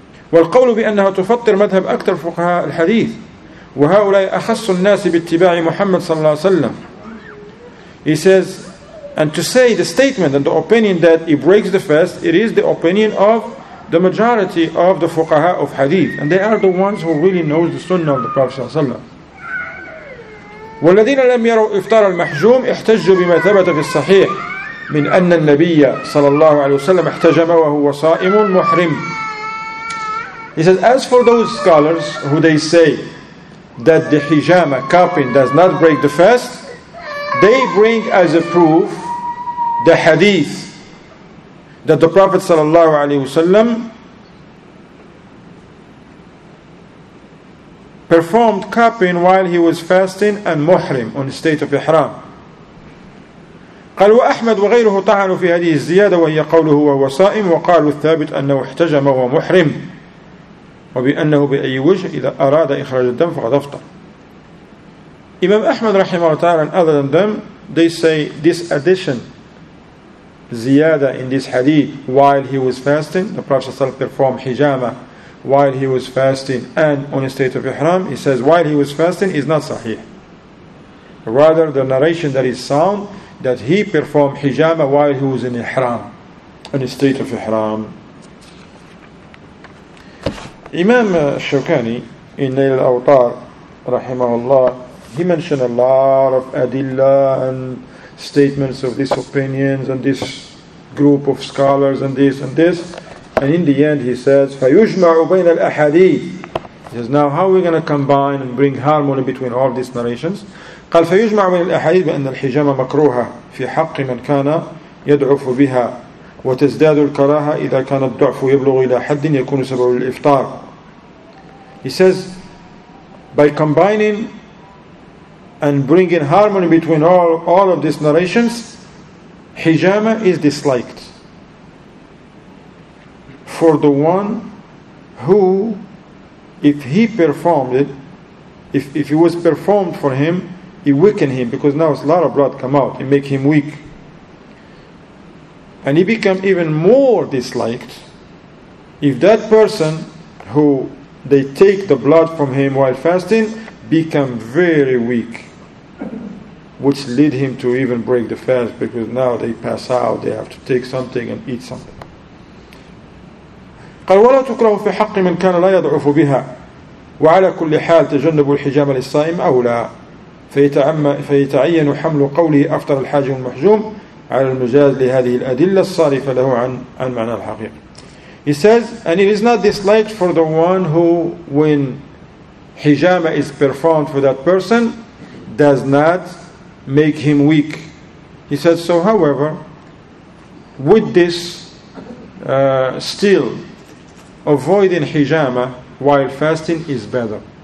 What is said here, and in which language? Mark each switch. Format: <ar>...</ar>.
<ar>وَالْقَوْلُ بِأَنَّهَا تُفَطِّرْ مَذْهَبْ أَكْتَرْ فُقْهَا الْحَدِيثِ وَهَؤُلَاءِ أَخَصُّ النَّاسِ بِاتِّبَاعِ مُحَمَّدٍ صَلَّى اللَّهُ عَلَيْهِ وَسَلَّمَ.</ar> <en>He says, and to say the statement and the opinion that it breaks the fast, it is the opinion of the majority of the fuqaha of hadith, and they are the ones who really know the sunnah of the Prophet صلى الله عليه وسلم.</en> <ar>والذين لم يروا إفطار المحجوم احتجوا بما ثبت في الصحيح من أن النبي صلى الله عليه وسلم احتجم وهو صائم محرم.</ar> <en>He says, as for those scholars who they say that the hijama, cupping, does not break the fast, they bring as a proof the hadith that the Prophet صلى الله عليه وسلم performed cupping while he was fasting and muhrim on the state of ihram.</en> <ar>قال وأحمد وغيره طعنوا في هذه الزيادة وهي قوله وهو صائم وقالوا الثابت أنه احتجم ومحرم وبأنه بأي وجه إذا أراد إخراج الدم فقد أفطر.</ar> <en>Imam Ahmad رحمه الله تعالى and other than them, they say this addition, ziyada in this hadith, while he was fasting, the Prophet ﷺ performed hijama while he was fasting and on a state of ihram, he says while he was fasting is not sahih. Rather, the narration that is sound, that he performed hijama while he was in ihram, in a state of ihram. Imam Shawkani in Nail al-Awtar rahimahullah, he mentioned a lot of adilla and statements of these opinions and this group of scholars and this and this. And in the end he says,</en> <ar>فَيُجْمَعُ بَيْنَ الْأَحَدِيثِ.</ar> <en>He says, now how are we going to combine and bring harmony between all these narrations?</en> <ar>قال فيجمع من الأحاديث بأن الحجامة مكروهة في حق من كان يضعف بها وتزداد الكراهة إذا كان الضعف يبلغ إلى حد يكون سبب الإفطار.</ar> <en>He says, by combining and bringing harmony between all of these narrations, hijama is disliked for the one who, if he performed it, if it was performed for him, it weakened him, because now it's a lot of blood come out, it make him weak. And he become even more disliked if that person who they take the blood from him while fasting become very weak, which lead him to even break the fast, because now they pass out, they have to take something and eat something.</en> <ar>قال ولا تكره في حق من كان لا يضعف بها وعلى كل حال تجنب الحجام للصائم أولى فيتعين حمل قوله أفطر الحاج المحجوم على المجاز لهذه الأدلة الصارفة له عن معنى الحقيقة.</ar> <en>He says, and it is not disliked for the one who, when hijama is performed for that person, does not make him weak. He says, so however, with this, still, avoiding hijama while fasting is better.</en>